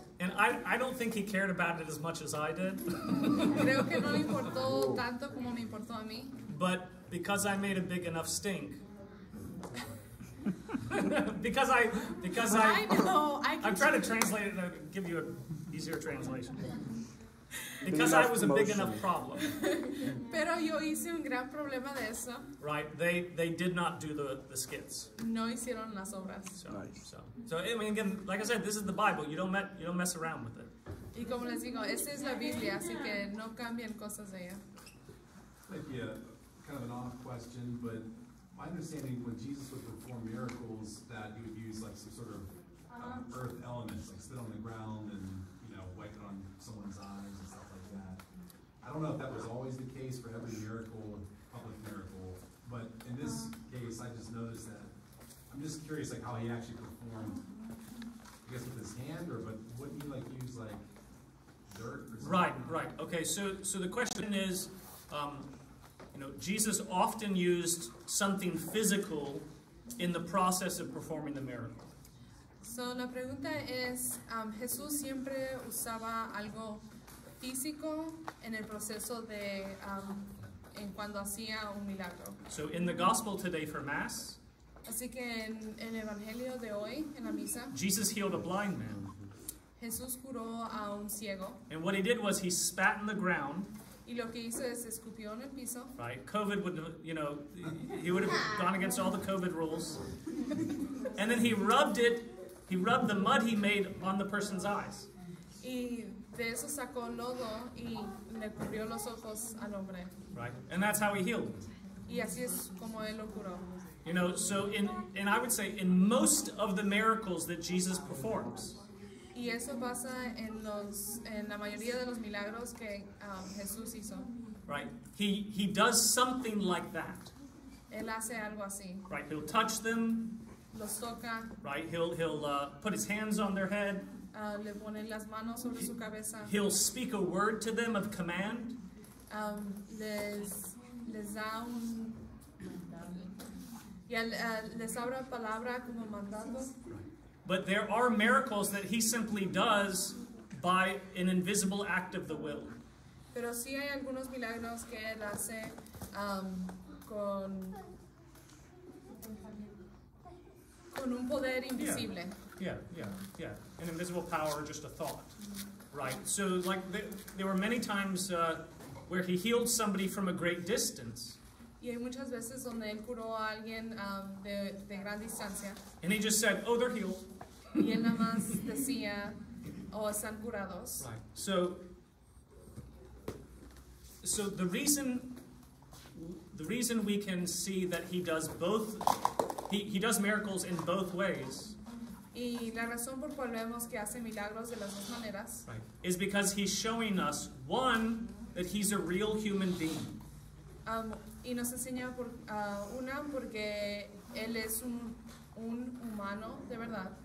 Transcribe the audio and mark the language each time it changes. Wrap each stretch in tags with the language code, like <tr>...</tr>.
<en>And I don't think he cared about it as much as I did.</en> <es>Creo que no le importó tanto como me importó a mí.</es> <en>But because I made a big enough stink. because I'm trying to translate it to give you an easier translation. Because I was a big enough problem.</en> <es>Pero yo hice un gran problema de eso.</es> <en>Right, they did not do the skits.</en> <es>No hicieron las obras.</es> <en>So, I mean, again, like I said, this is the Bible. You don't mess around with it.</en> <es>Y como les digo, esta es la Biblia, así que no cambien cosas de ella.</es> <en>Maybe a kind of an off question, but my understanding when Jesus would perform miracles, that he would use like some sort of earth elements, like spit on the ground and, you know, wipe it on someone's eyes. I don't know if that was always the case for every miracle, public miracle, but in this case, I just noticed that. I'm just curious, like, how he actually performed, I guess, with his hand, or but wouldn't he, like, use, like, dirt or something? Right, right. Okay, so the question is, you know, Jesus often used something physical in the process of performing the miracle.</en> <es>So, la pregunta es, Jesús siempre usaba algo físico en el proceso de en cuando hacía un milagro.</es> <en>So in the gospel today for mass.</en> <es>Así que en el evangelio de hoy en la misa.</es> <en>Jesus healed a blind man.</en> <es>Jesús curó a un ciego.</es> <en>And what he did was he spat in the ground.</en> <es>Y lo que hizo es escupió en el piso.</es> <en>Right, COVID would, you know, he would have gone against all the COVID rules. And then he rubbed the mud he made on the person's eyes.</en> <es>Y de eso sacó lodo y le cubrió los ojos al hombre.</es> <en>Right, and that's how he healed.</en> <es>Y así es como él lo curó.</es> <en>You know, so and I would say in most of the miracles that Jesus performs.</en> <es>Y eso pasa en la mayoría de los milagros que Jesús hizo.</es> <en>Right, he does something like that.</en> <es>Él hace algo así.</es> <en>Right, he'll touch them.</en> <es>Los toca.</es> <en>Right, he'll put his hands on their head.</en> <es>Le pone las manos sobre su cabeza.</es> <en>He'll speak a word to them of command.</en> <es>Les da un y les abre palabra como mandando.</es> <en>But there are miracles that he simply does by an invisible act of the will.</en> <es>Pero sí hay algunos milagros que él hace con un poder invisible.</es> <en>Yeah. Yeah. An invisible power, just a thought. Right. So, like, there were many times where he healed somebody from a great distance.</en> <es>Y hay muchas veces donde él curó a alguien de gran distancia.</es> <en>And he just said, oh, they're healed.</en> <es>Y él nada más decía, oh, están curados.</es> <en>Right. So the reason we can see that he does both, he does miracles in both ways.</en> <es>Y la razón por cual vemos que hace milagros de las dos maneras.</es> <en>Right. Is because he's showing us, one, that he's a real human being.</en> <es>Y nos enseña por una, porque él es un humano de verdad.</es>